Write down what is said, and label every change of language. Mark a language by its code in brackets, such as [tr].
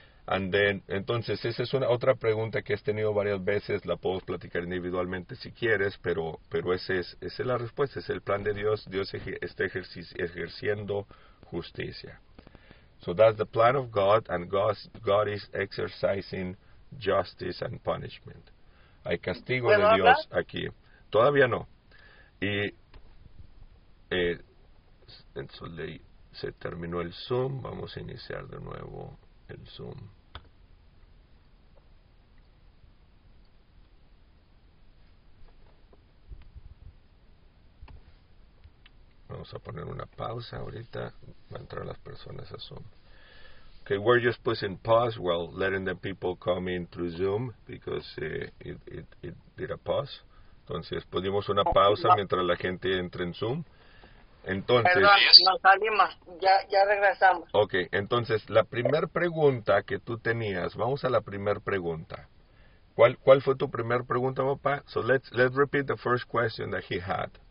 [en] And then, [es] entonces, esa es una otra pregunta que has tenido varias veces, la puedo platicar individualmente si quieres, pero esa es la respuesta, es el plan de Dios, Dios está ejerciendo justicia. [en] So that's the plan of God, and God is exercising justice and punishment. [es] Hay castigo de Dios aquí. Todavía no. Y entonces se terminó el Zoom, vamos a iniciar de nuevo el Zoom. Vamos a poner una pausa ahorita. Va a entrar las personas a Zoom. [en] Okay, we're just pushing pause while letting the people come in through Zoom because it did a pause. [es] Entonces, pusimos una pausa mientras la gente entra en Zoom. Entonces, perdón, nos salimos. Ya regresamos. Okay, entonces, la primera pregunta que tú tenías. Vamos a la primera pregunta. ¿Cuál fue tu primera pregunta, papá? [en] So let's repeat the first question that he had.